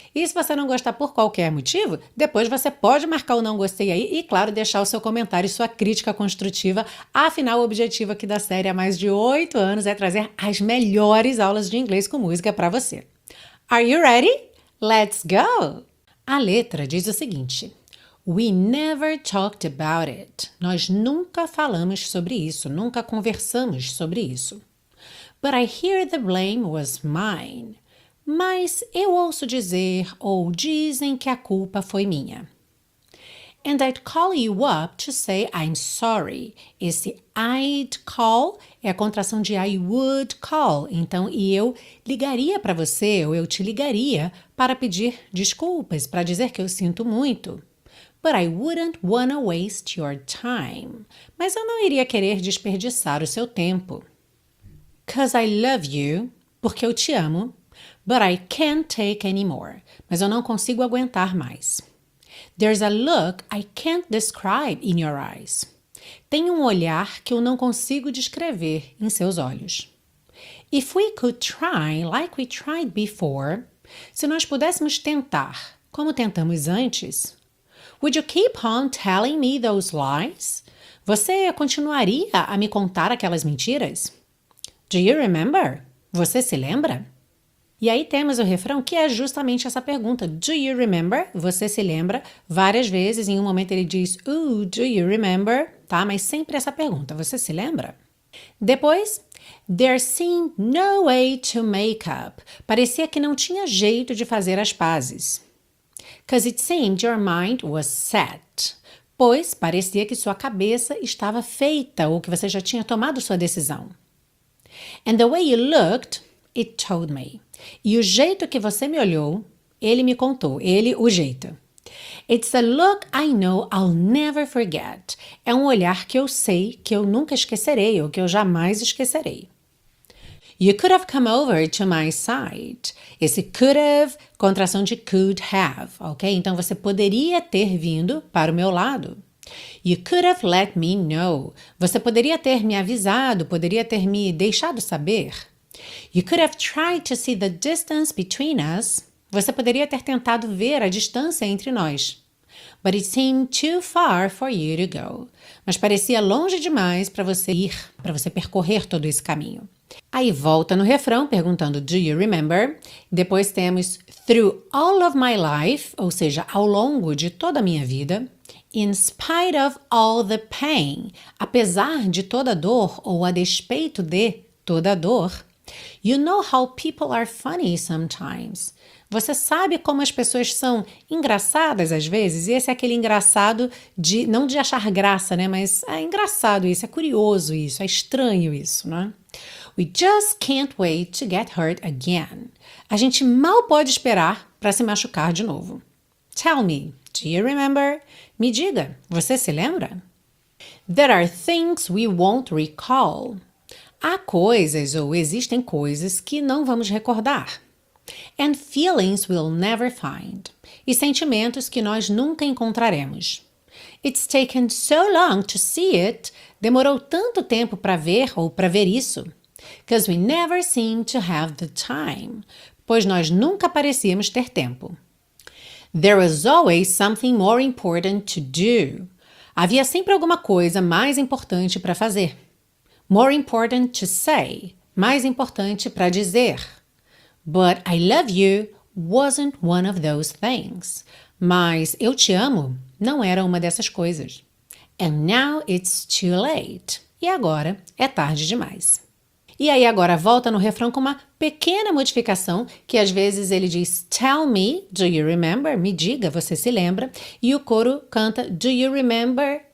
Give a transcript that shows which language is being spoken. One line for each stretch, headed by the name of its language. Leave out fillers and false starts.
Portuguese: E se você não gostar por qualquer motivo, depois você pode marcar o não gostei aí e, claro, deixar o seu comentário e sua crítica construtiva. Afinal, o objetivo aqui da série há mais de 8 anos é trazer as melhores aulas de inglês com música para você.
English: Are you ready? Let's go! A letra diz o seguinte... We never talked about it.
Portuguese: Nós nunca falamos sobre isso, nunca conversamos sobre isso.
English: But I hear the blame was mine.
Portuguese: Mas eu ouço dizer ou dizem que a culpa foi minha.
English: And I'd call you up to say I'm sorry.
Portuguese: Esse
English: I'd call
Portuguese: é a contração de
English: I would call.
Portuguese: Então, e eu ligaria para você, ou eu te ligaria para pedir desculpas, para dizer que eu sinto muito.
English: But I wouldn't wanna waste your time.
Portuguese: Mas eu não iria querer desperdiçar o seu tempo.
English: 'Cause I love you.
Portuguese: Porque eu te amo.
English: But I can't take anymore.
Portuguese: Mas eu não consigo aguentar mais.
English: There's a look I can't describe in your eyes.
Portuguese: Tem um olhar que eu não consigo descrever em seus olhos.
English: If we could try like we tried before.
Portuguese: Se nós pudéssemos tentar como tentamos antes...
English: Would you keep on telling me those lies?
Portuguese: Você continuaria a me contar aquelas mentiras?
English: Do you remember?
Portuguese: Você se lembra? E aí temos o refrão que é justamente essa pergunta.
English: Do you remember?
Portuguese: Você se lembra? Várias vezes, em um momento ele diz,
English: ooh, do you remember?
Portuguese: Tá? Mas sempre essa pergunta. Você se lembra? Depois,
English: there seemed no way to make up.
Portuguese: Parecia que não tinha jeito de fazer as pazes.
English: 'Cause it seemed your mind was set.
Portuguese: Pois parecia que sua cabeça estava feita ou que você já tinha tomado sua decisão.
English: And the way you looked, it told me.
Portuguese: E o jeito que você me olhou, ele me contou, ele o jeito.
English: It's a look I know I'll never forget.
Portuguese: É um olhar que eu sei que eu nunca esquecerei ou que eu jamais esquecerei.
English: You could have come over to my side.
Portuguese: Esse could have, contração de could have, ok? Então, você poderia ter vindo para o meu lado.
English: You could have let me know.
Portuguese: Você poderia ter me avisado, poderia ter me deixado saber.
English: You could have tried to see the distance between us.
Portuguese: Você poderia ter tentado ver a distância entre nós.
English: But it seemed too far for you to go.
Portuguese: Mas parecia longe demais para você ir, para você percorrer todo esse caminho. Aí volta no refrão perguntando,
English: do you remember?
Portuguese: Depois temos,
English: through all of my life,
Portuguese: ou seja, ao longo de toda a minha vida,
English: in spite of all the pain,
Portuguese: apesar de toda a dor ou a despeito de toda a dor,
English: you know how people are funny sometimes.
Portuguese: Você sabe como as pessoas são engraçadas às vezes? E esse é aquele engraçado de, não de achar graça, né? Mas é engraçado isso, é curioso isso, é estranho isso, né?
English: We just can't wait to get hurt again.
Portuguese: A gente mal pode esperar para se machucar de novo.
English: Tell me, do you remember?
Portuguese: Me diga, você se lembra?
English: There are things we won't recall.
Portuguese: Há coisas ou existem coisas que não vamos recordar.
English: And feelings we'll never find.
Portuguese: E sentimentos que nós nunca encontraremos.
English: It's taken so long to see it.
Portuguese: Demorou tanto tempo para ver ou para ver isso.
English: 'Cause we never seem to have the time.
Portuguese: Pois nós nunca parecíamos ter tempo.
English: There was always something more important to do.
Portuguese: Havia sempre alguma coisa mais importante para fazer.
English: More important to say.
Portuguese: Mais importante para dizer.
English: But I love you wasn't one of those things.
Portuguese: Mas eu te amo não era uma dessas coisas.
English: And now it's too late.
Portuguese: E agora é tarde demais. E aí agora volta no refrão com uma pequena modificação, que às vezes ele diz
English: tell me, do you remember?
Portuguese: Me diga, você se lembra? E o coro canta
English: do you remember?